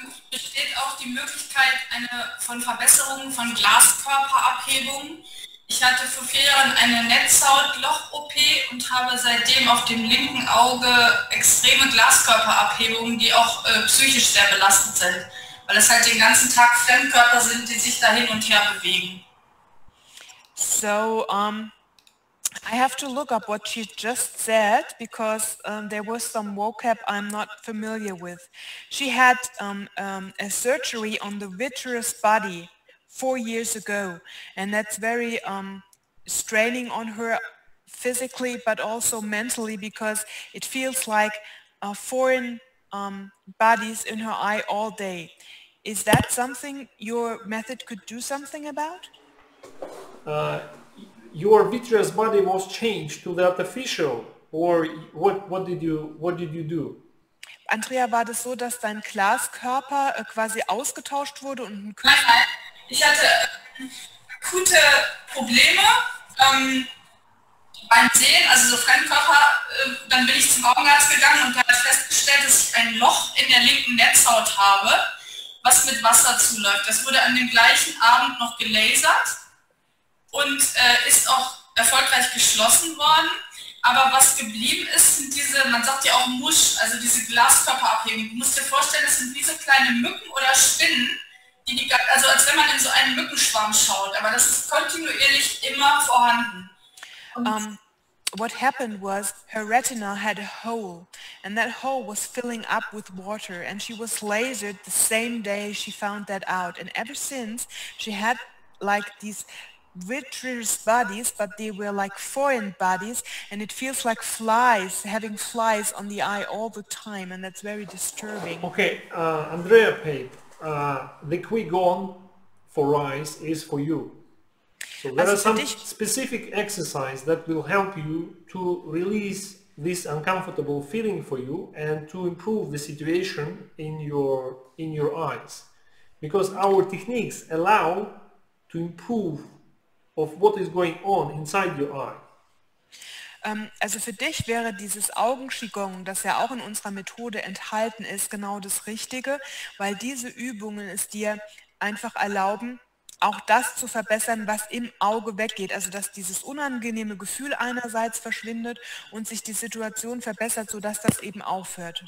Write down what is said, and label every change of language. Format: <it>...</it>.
<de>Besteht auch die Möglichkeit von Verbesserungen von Glaskörperabhebungen? Ich hatte vor 4 Jahren eine Netzhautloch-OP und habe seitdem auf dem linken Auge extreme Glaskörperabhebungen, die auch psychisch sehr belastend sind, weil es halt den ganzen Tag Fremdkörper sind, die sich da hin und her bewegen.</de> <en>So, I have to look up what she just said because there was some vocab I'm not familiar with. She had a surgery on the vitreous body 4 years ago, and that's very straining on her physically but also mentally, because it feels like foreign bodies in her eye all day. Is that something your method could do something about? Your vitreous body was changed to the artificial, or what did you do?</en> <de>Andrea, war das so, dass dein Glaskörper quasi ausgetauscht wurde und ein Künstler? Nein, ich hatte akute Probleme beim Sehen, also so Fremdkörper. Dann bin ich zum Augenarzt gegangen und da habe ich festgestellt, dass ich ein Loch in der linken Netzhaut habe, was mit Wasser zuläuft. Das wurde an dem gleichen Abend noch gelasert und ist auch erfolgreich geschlossen worden. Aber was geblieben ist, sind diese, man sagt ja auch Musch, also diese Glaskörperabhebung. Du musst dir vorstellen, das sind diese kleine Mücken oder Spinnen, also als wenn man in so einen Mückenschwarm schaut. Aber das ist kontinuierlich immer vorhanden.</de> <en>What happened was her retina had a hole, and that hole was filling up with water, and she was lasered the same day she found that out. And ever since, she had like these vitreous bodies, but they were like foreign bodies, and it feels like flies, having flies on the eye all the time, and that's very disturbing. Okay, Andrea Pape, the Qigong for rice is for you. So there are some specific exercises that will help you to release this uncomfortable feeling for you and to improve the situation in your eyes, because our techniques allow to improve of what is going on inside your eye.</en> <de>Also für dich wäre dieses Augen-Qigong, das ja auch in unserer Methode enthalten ist, genau das Richtige, weil diese Übungen es dir einfach erlauben, auch das zu verbessern, was im Auge weggeht. Also dass dieses unangenehme Gefühl einerseits verschwindet und sich die Situation verbessert, sodass das eben aufhört.</de>